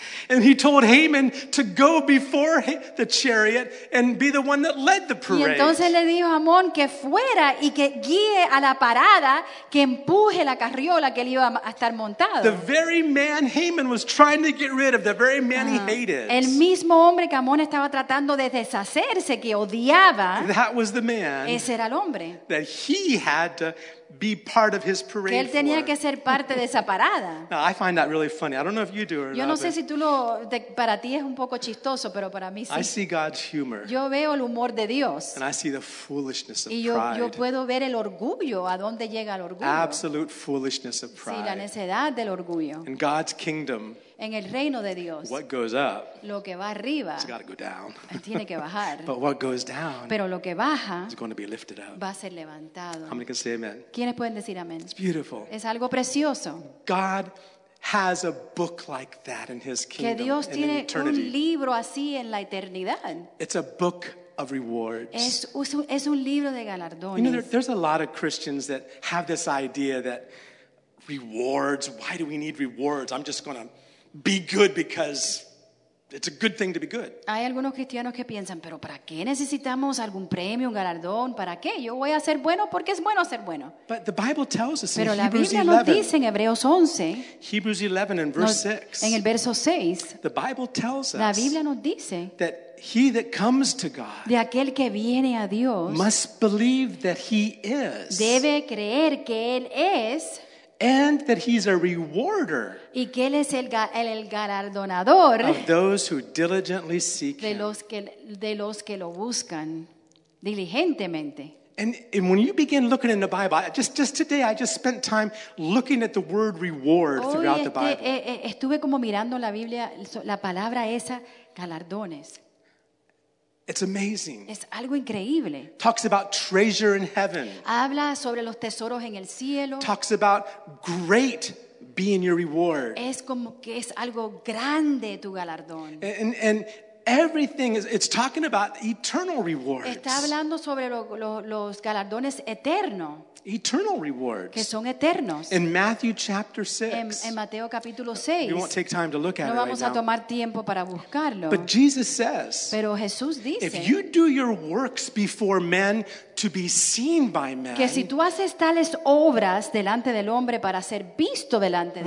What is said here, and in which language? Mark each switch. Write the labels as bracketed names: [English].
[English] And he told Haman to go before the chariot and be the one that led the parade. [Spanish] Y entonces le dijo a Amón que fuera y que guíe a la parada, que empuje la carriola que él iba a estar montado. [English] The very man Haman was trying to get rid of, the very man he hated. [Spanish] El mismo hombre que Amón estaba tratando de deshacerse, que odiaba. [English] That was the man. [Spanish] Ese era el hombre. [English] That he had to be part of his parade. [Spanish] Que él tenía que ser parte de esa parada. [English] No, I find that really funny. I don't know if you do or not. [Spanish] Yo no sé si tú lo para ti es un poco chistoso, pero para mí sí. [English] I see God's humor. [Spanish] Yo veo el humor de Dios. [English] And I see the foolishness of pride. [Spanish] Y yo puedo ver el orgullo, a dónde llega el orgullo. [English] Absolute foolishness of pride. [Spanish] Sí, la necedad del orgullo. [English] In God's kingdom. [Spanish] En el reino de Dios. [English] What goes up? [Spanish] Lo que va arriba. [English] It's got to go down. [Spanish] Tiene que bajar. [English] But what goes down? [Spanish] Pero lo que baja. [English] Is going to be lifted up. [Spanish] Va a ser levantado. [English] How many can say amen? [Spanish] ¿Quiénes pueden decir amén? [English] It's beautiful. [Spanish] Es algo precioso. [English] God has a book like that in his kingdom. [Spanish] Que Dios [English] in [Spanish] tiene [English] eternity. [Spanish] Un libro así en la eternidad. [English] It's a book of rewards. [Spanish] Es un libro de galardones. [English] You know, there's a lot of Christians that have this idea that rewards, why do we need rewards? I'm just going to be good because it's a good thing to be good. [Spanish] Hay algunos cristianos que piensan, pero ¿para qué necesitamos algún premio, un galardón? ¿Para qué? Yo voy a ser bueno porque es bueno ser bueno. [English] But the Bible tells us [Spanish] pero [English] in Hebrews 11. [Spanish] Pero la Biblia nos dice en Hebreos 11. [English] Hebrews 11 and verse 6. [Spanish] En el verso 6. [English] The Bible tells us. [Spanish] La Biblia nos dice. [English] That he that comes to God. [Spanish] De aquel que viene a Dios. [English] Must believe that he is. [Spanish] Debe creer que él es. [English] And that he's a rewarder. [Spanish] Y que él es el galardonador. [English] Of those who diligently seek him. [Spanish] De los que lo buscan diligentemente. [English] And when you begin looking in the Bible, just today I just spent time looking at the word reward throughout the Bible. [Spanish] Estuve como mirando la Biblia, la palabra esa, galardones. [English] It's amazing. [Spanish] Es algo increíble. [English] Talks about treasure in heaven. [Spanish] Habla sobre los tesoros en el cielo. [English] Talks about great being your reward. [Spanish] Es como que es algo grande tu galardón. [English] And everything is, it's talking about eternal rewards. [Spanish] Está hablando sobre los galardones eternos. [English] Eternal rewards. [Spanish] Que son eternos. [English] In Matthew chapter 6. [Spanish] En Mateo capítulo 6. [English] We won't take time to look at [Spanish] no [English] it [Spanish] vamos [English] right [Spanish] a tomar [English] now. [Spanish] Tiempo para buscarlo. [English] But Jesus says. [Spanish] Pero Jesús dice. [English] If you do your works before men to be seen by men. [Spanish] Que si tú haces tales obras delante del hombre para ser visto delante del